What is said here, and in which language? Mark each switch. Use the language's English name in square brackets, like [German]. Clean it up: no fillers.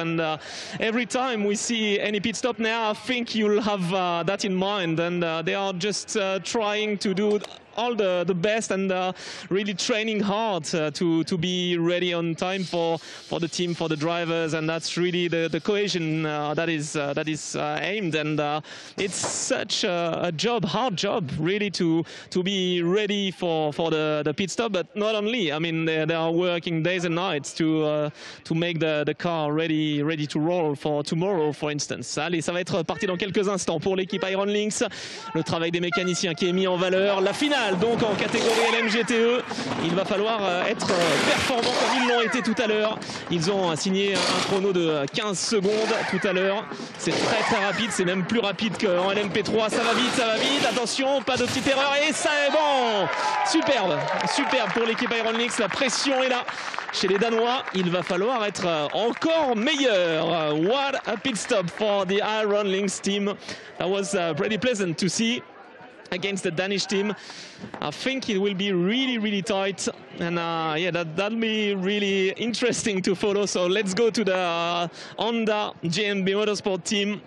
[English] And every time we see any pit stop now, I think you'll have that in mind, and they are just trying to do all the best, and really training hard to be ready on time for the team, for the drivers, and that's really the cohesion that is aimed. And it's such a job, hard job, really, to be ready for the pit stop. But not only, I mean, they are working days and nights to make the car ready to roll for tomorrow, for instance. [French] Allez, ça va être parti dans quelques instants pour l'équipe Iron Lynx. Le travail des mécaniciens qui est mis en valeur. La finale. Donc en catégorie LMGTE, il va falloir être performant comme ils l'ont été tout à l'heure. Ils ont signé un chrono de 15 secondes tout à l'heure. C'est très très rapide, c'est même plus rapide qu'en LMP3. Ça va vite. Attention, pas de petite erreur et ça est bon. Superbe pour l'équipe Iron Lynx. La pression est là. Chez les Danois, il va falloir être encore meilleur. [English] What a pit stop for the Iron Lynx team. That was pretty pleasant to see. Against the Danish team, I think it will be really, really tight, and that'll be really interesting to follow. So let's go to the Honda GMB Motorsport team.